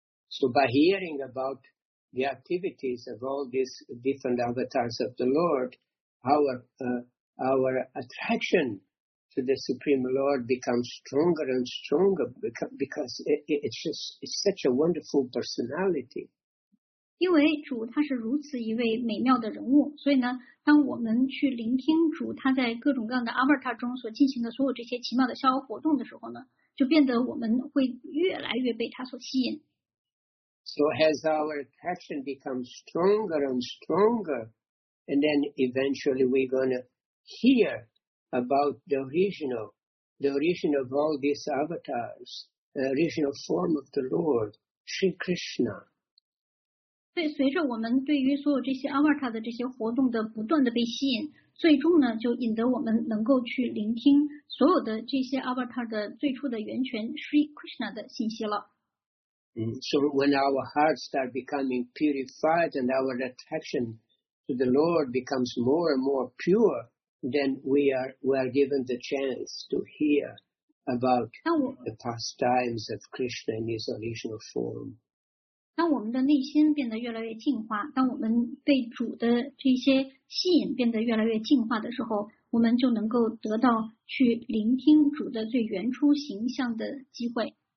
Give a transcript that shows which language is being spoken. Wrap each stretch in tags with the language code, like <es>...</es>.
<en>So by hearing about the activities of all these different avatars of the Lord, our attraction to the Supreme Lord becomes stronger and stronger because it's such a wonderful personality.</en> <zh>因为主他是如此一位美妙的人物，所以呢，当我们去聆听主他在各种各样的 avatar 中所进行的所有这些奇妙的逍遥活动的时候呢，就变得我们会越来越被他所吸引。</zh> <en>So as our attraction becomes stronger and stronger, and then eventually we're going to hear. About the origin of all these avatars, the original form of the Lord, Sri Krishna.</en> <zh>对，随着我们对于所有这些 avatar 的这些活动的不断的被吸引，最终呢，就引得我们能够去聆听所有的这些 avatar 的最初的源泉 Sri Krishna 的信息了。</zh> <en>So when our hearts start becoming purified and our attraction to the Lord becomes more and more pure. Then we are given the chance to hear about the pastimes of Krishna in his original form.</en> <zh>当我们的内心变得越来越净化，当我们被主的这些吸引变得越来越净化的时候，我们就能够得到去聆听主的最原初形象的机会。</zh>